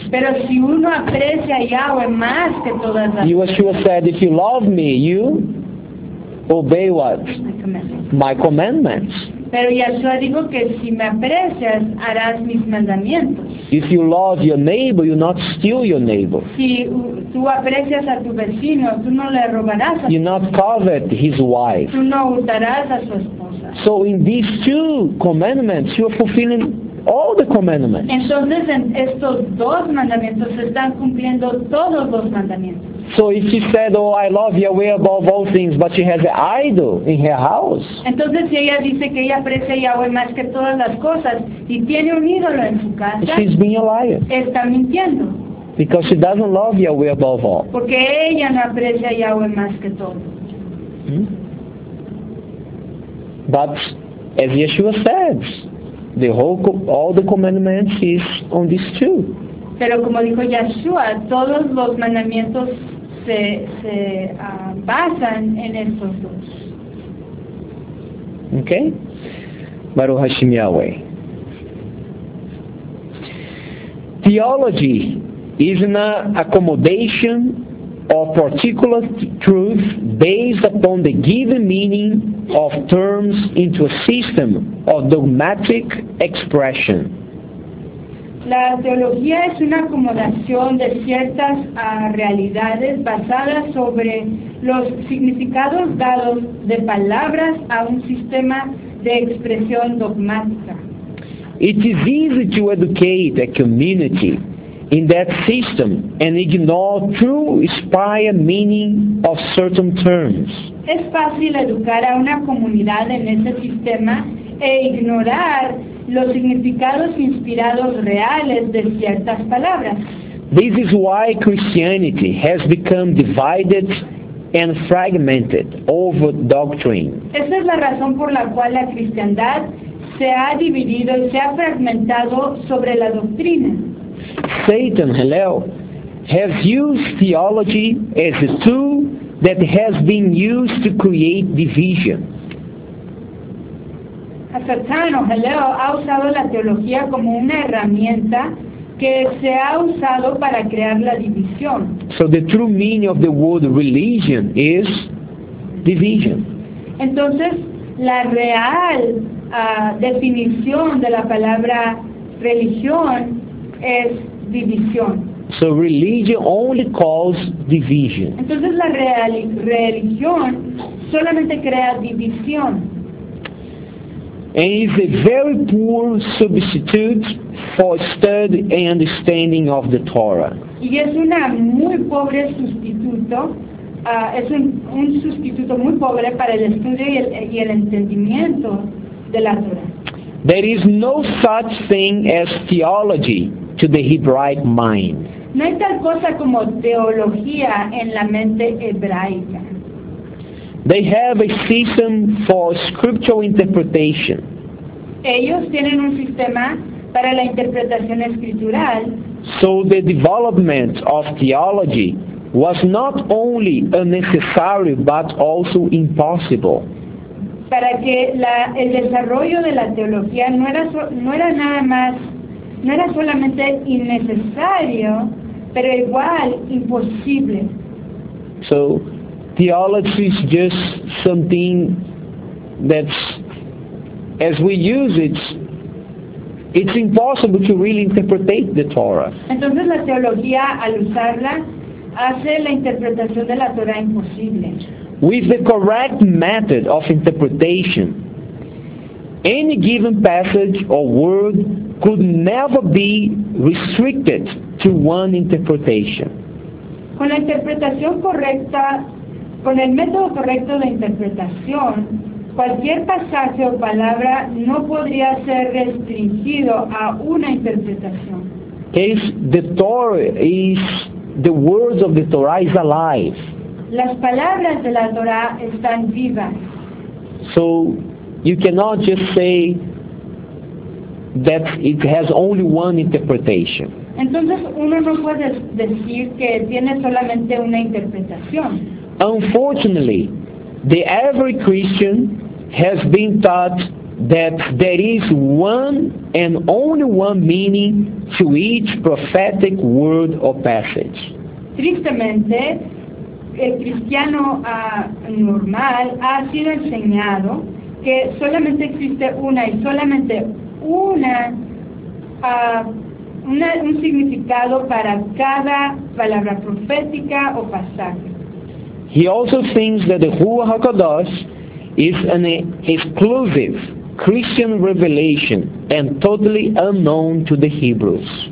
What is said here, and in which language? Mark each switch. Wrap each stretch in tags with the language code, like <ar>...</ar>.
<es>pero si uno aprecia Yahweh más que todas las cosas,</es> <en>Yeshua said, if you love me, you obey what? My commandments.</en> <es>Pero Yeshua dijo que si me aprecias, harás mis mandamientos.</es> <en>If you love your neighbor, you not steal your neighbor.</en> <es>Si tú aprecias a tu vecino, tú no le robarás a</es> <en>you not covet his wife.</en> <es>Tú no hurtarás a su esposa.</es> <en>So in these two commandments, you are fulfilling all the commandments.</en> <es>Entonces, en estos dos mandamientos se están cumpliendo todos los mandamientos.</es> <en>So if she said, oh, I love Yahweh above all things, but she has an idol in her house.</en> <es>Entonces, si ella dice que ella aprecia Yahweh más que todas las cosas y tiene un ídolo en su casa,</es> <en>she's being a liar.</en> <es>Está mintiendo.</es> <en>Because she doesn't love Yahweh above all.</en> <es>Porque ella no aprecia Yahweh más que todo.</es> <en>But as Yeshua said, all the commandments is on these two.</en> <es>Pero como dijo Yeshua, todos los mandamientos se basan en estos dos.</es> <en>Okay? Baruch Hashem Yahweh. Theology is an accommodation of particular truth based upon the given meaning of terms into a system of dogmatic expression.</en> <es>La teología es una acomodación de ciertas realidades basadas sobre los significados dados de palabras a un sistema de expresión dogmática.</es> <en>It is easy to educate a community in that system and ignore true inspired meaning of certain terms.</en> <es>Es fácil educar a una comunidad en ese sistema e ignorar los significados inspirados reales de ciertas palabras.</es> <en>This is why Christianity has become divided and fragmented over doctrine.</en> <es>Esa es la razón por la cual la cristiandad se ha dividido y se ha fragmentado sobre la doctrina.</es> <en>Satan, hello, has used theology as a tool that has been used to create division.</en> <es>Satan,</es> <en>oh hello,</en> <es>ha usado la teología como una herramienta que se ha usado para crear la división.</es> <en>So the true meaning of the word religion is division.</en> <es>Entonces, la real definición de la palabra religión es división.</es> <en>So religion only causes division.</en> <es>Entonces la religión solamente crea división.</es> <en>And is a very poor substitute for study and understanding of the Torah.</en> <es>Y es una muy pobre sustituto, es un sustituto muy pobre para el estudio y el entendimiento de la Torah.</es> <en>There is no such thing as theology to the Hebraic mind.</en> <es>No hay tal cosa como teología en la mente hebraica.</es> <en>They have a system for scriptural interpretation.</en> <es>Ellos tienen un sistema para la interpretación escritural.</es> <en>So the development of theology was not only unnecessary but also impossible.</en> <es>Para que el desarrollo de la teología no era solamente innecesario, pero igual imposible.</es> <en>So theology is just something that's, as we use it, it's impossible to really interpret the Torah.</en> <es>Entonces la teología al usarla hace la interpretación de la Torah imposible.</es> <en>With the correct method of interpretation, any given passage or word could never be restricted to one interpretation.</en> <es>Con la interpretación correcta, con el método correcto de interpretación, cualquier pasaje o palabra no podría ser restringido a una interpretación.</es> <en>If the Torah is, the words of the Torah is alive.</en> <es>Las palabras de la Torah están vivas.</es> <en>So you cannot just say that it has only one interpretation.</en> <es>Entonces uno no puede decir que tiene solamente una interpretación.</es> <en>Unfortunately, the average Christian has been taught that there is one and only one meaning to each prophetic word or passage.</en> <es>Tristemente, el cristiano normal ha sido enseñado que solamente existe una y solamente un significado para cada palabra profética o pasaje.</es> <en>He also thinks that the Ruach HaKodesh is an exclusive Christian revelation and totally unknown to the Hebrews.</en>